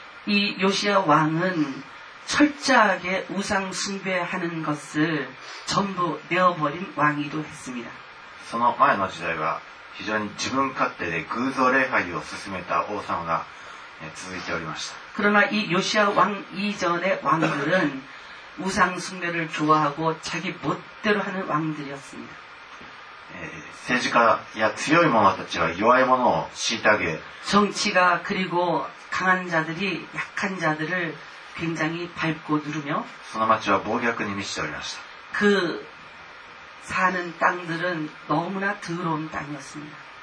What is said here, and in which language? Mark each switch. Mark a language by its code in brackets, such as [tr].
[ko] 이ヨシア왕은철저하게우상숭배하는것을전부내어버린왕이기도했습니다。 [ja] その前の時代は非常に自分勝手で偶像礼拝を進めた王様が続いておりました。 [ko] 그러나이요시아왕이전의왕들은 우상숭배를좋아하고자기멋대로하는왕들이었습니다。 [ja] 政治家や強い者たちは弱い者を虐げ、 [ko] 정치가그리고강한자들이약한자들을굉장히밟고누르며、 [ja] その町は暴虐に満ちておりました。 [ko] 그사는땅들은너무나더러운땅이었습니다。